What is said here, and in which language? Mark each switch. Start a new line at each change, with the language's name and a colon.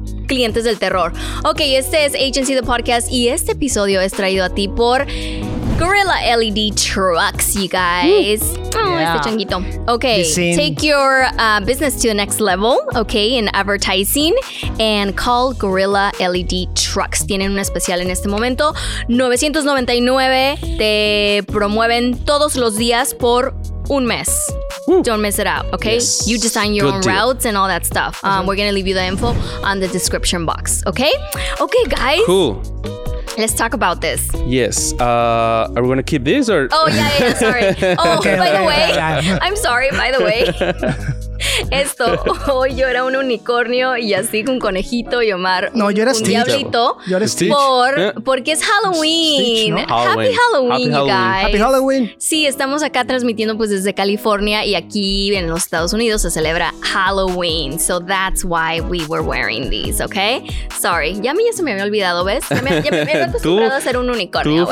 Spanish: Clientes del terror. Ok, este es Agnc the Podcast y este episodio es traído a ti por Gorilla LED Trucks,
English: you guys.
Spanish: Este changuito.
English: Ok, take your business to the next level, ok, in advertising, and call Gorilla LED Trucks.
Spanish: Tienen un especial en este momento, $999, te promueven todos los días por un mes.
English: Don't miss it out, okay? Yes. You design your good own deal. Routes and all that stuff. We're going to leave you the info on the description box, okay? Okay, guys. Cool. Let's talk about this. Yes. Are we going to keep this or? By the way.
Spanish: Esto, yo era un unicornio y así un conejito y Omar yo era Stitch. Porque es Halloween. Stitch, ¿no? Halloween.
English: Happy Halloween, you guys.
Spanish: Sí, estamos acá transmitiendo pues desde California y aquí en los Estados Unidos se celebra Halloween.
English: So that's why we were wearing these, okay?
Spanish: Sorry, ya se me había olvidado, ¿ves? Ya me había acostumbrado a ser un unicornio.